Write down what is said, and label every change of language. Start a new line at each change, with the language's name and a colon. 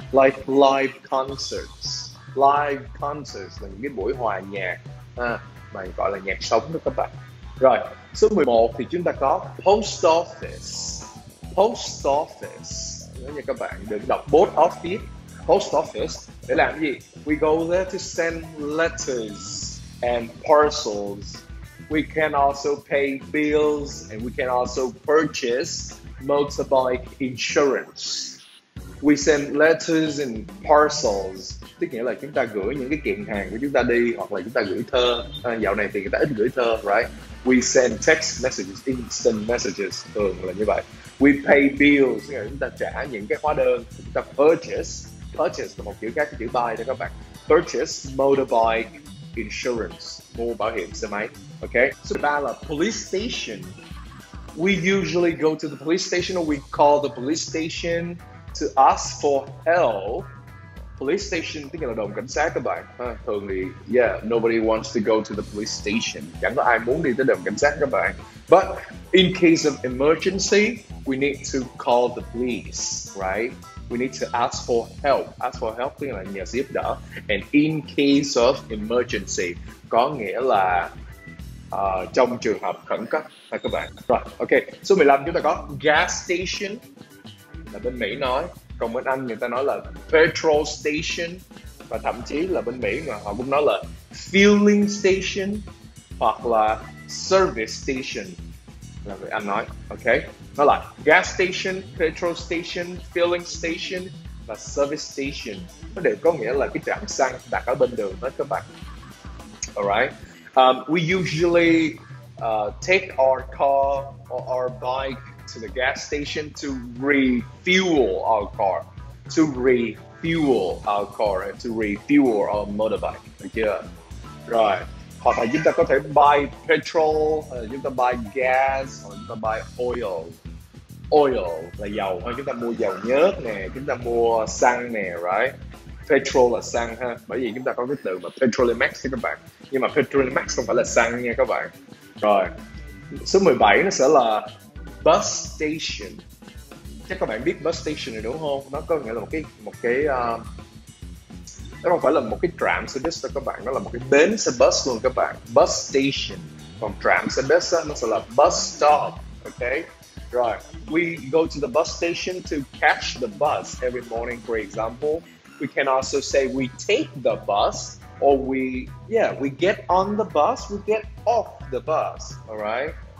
English: Like live concerts.
Vietnamese: Live concerts là những cái buổi hòa nhạc mà gọi là nhạc sống đó các bạn. Rồi, số 11 thì chúng ta có post office. Post office, nói như các bạn đừng đọc post office. Post office để làm cái gì?
English: We go there to send letters and parcels. We can also pay bills and we can also purchase motorbike insurance. We send letters and parcels,
Vietnamese: tức nghĩa là chúng ta gửi những cái kiện hàng của chúng ta đi, hoặc là chúng ta gửi thơ. Dạo này thì người ta ít gửi thơ, right?
English: We send text messages, instant messages,
Vietnamese: thường là như vậy.
English: We pay bills,
Vietnamese: tức là chúng ta trả những cái hóa đơn. Chúng ta purchase, purchase là một kiểu khác, cái chữ buy đó các bạn.
English: Purchase motorbike insurance,
Vietnamese: mua bảo hiểm xe máy. Okay, so ba là police station.
English: We usually go to the police station or we call the police station to ask for help.
Vietnamese: Police station tức là đồn cảnh sát các bạn. Thường thì yeah,
English: nobody wants to go to the police station.
Vietnamese: Chẳng có ai muốn đi tới đồn cảnh sát các bạn.
English: But in case of emergency, we need to call the police, right? We need to ask for help.
Vietnamese: Ask for help tức là nhờ sự giúp đỡ.
English: And in case of emergency
Vietnamese: có nghĩa là trong trường hợp khẩn cấp ha các bạn. Rồi, ok. Số 15 chúng ta có gas station, là bên Mỹ nói. Còn bên Anh người ta nói là petrol station. Và thậm chí là bên Mỹ mà họ cũng nói là fueling station hoặc là service station, là vậy anh nói. Ok, nó là gas station, petrol station, fueling station và service station. Nó đều có nghĩa là cái trạm xăng đặt ở bên đường đó các bạn.
English: Alright, we usually take our car or our bike to the gas station to refuel our car. To refuel our car, to refuel our motorbike.
Vietnamese: Được chưa? Rồi, hoặc là chúng ta có thể buy petrol, chúng ta buy gas, hoặc chúng ta buy oil. Oil là dầu, hoặc chúng ta mua dầu nhớt nè, chúng ta mua xăng nè, right? Petrol là xăng ha, bởi vì chúng ta có cái từ mà Petrolimax các bạn. Nhưng mà Petrolimax không phải là xăng nha các bạn. Rồi, số 17 nó sẽ là bus station. Chắc các bạn biết bus station này đúng không? Nó có nghĩa là một cái nó không phải là một cái trạm xe bus đâu các bạn, nó là một cái bến xe bus luôn các bạn. Bus station, còn trạm xe bus nó sẽ là bus stop.
English: Okay. Rồi, we go to the bus station to catch the bus every morning, for example. We can also say we take the bus or we get on the bus, we get off the bus, all right?